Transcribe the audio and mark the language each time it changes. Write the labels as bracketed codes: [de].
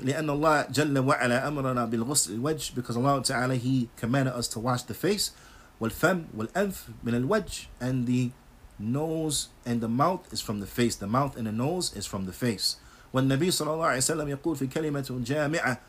[ar] لأن الله جل وعلا أمرنا بالغسل الوجه. [en] Because Allah Ta'ala, He commanded us to wash the face. [ar] والفم والأنف من الوجه. [en] And the nose and the mouth is from the face. The mouth and the nose is from the face. [ar] والنبي صلى الله عليه وسلم يقول في كلمة جامعة.